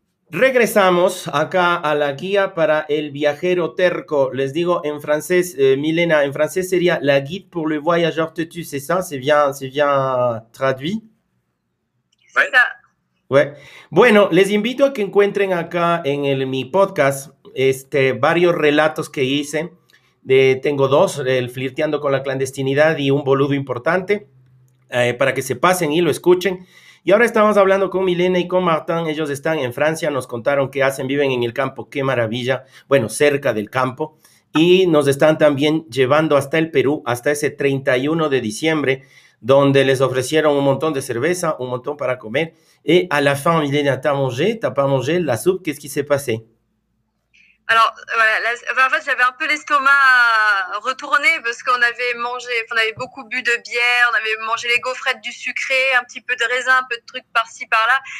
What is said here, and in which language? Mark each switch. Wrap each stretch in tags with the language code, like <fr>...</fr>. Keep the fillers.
<es>Regresamos acá a la guía para el viajero terco. Les digo en francés,</es> <fr>euh, Milena, en français</fr> <es>sería</es> <fr>la guide pour le voyageur têtu, c'est ça? C'est bien, c'est bien traduit? C'est Ouais. ça.</fr> <es>Bueno, les invito a que encuentren acá en el, mi podcast este, varios relatos que hice. De, tengo dos, el flirteando con la clandestinidad y un boludo importante, eh, para que se pasen y lo escuchen. Y ahora estamos hablando con Milena y con Martin. Ellos están en Francia, nos contaron que hacen, viven en el campo, qué maravilla, bueno, cerca del campo. Y nos están también llevando hasta el Perú, hasta ese 31 de diciembre, donde les ofrecieron un montón de cerveza, un montón para comer.</es> <fr>Et à la fin, Milena, t'as mangé, t'as pas mangé la soupe, qu'est-ce qui s'est passé Alors, voilà, la- enfin, en fait, j'avais un peu l'estomac retourné parce qu'on avait mangé, enfin, on avait beaucoup bu de bière, on avait mangé les gaufrettes du sucré, un petit peu de raisin, un peu de trucs par-ci, par-là.</fr>